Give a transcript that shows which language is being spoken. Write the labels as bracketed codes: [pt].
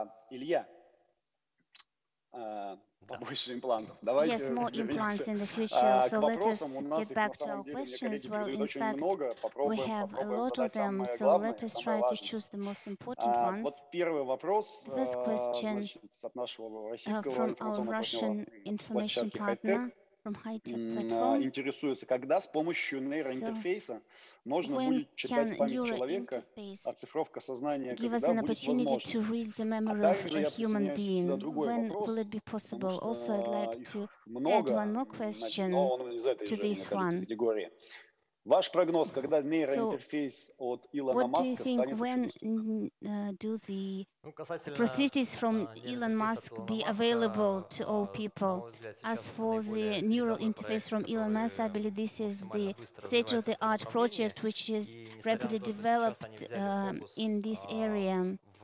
[ru] Илья, побольше имплантов. Давайте [en] yes, more implants in the future. So let us get back to our questions. Well, in fact, we have a lot of them, so let us try to choose the most important ones. [ru] Вот первый вопрос, [en] first question from our Russian information partner. From [ru] интересуется, когда с помощью нейроинтерфейса so можно будет читать память человека, оцифровка сознания, когда будет возможно. [en] Can your interface give us an opportunity to read the memory of a human being? When will it be possible? Also, I'd like to add one more question to this one. [ru] Ваш прогноз, когда нейроинтерфейс от Илона Маска станет существом? [en] When do the prostheses from Elon Musk be available to all people? As for the neural interface from Elon Musk, I believe this is the state-of-the-art project which is rapidly developed in this area.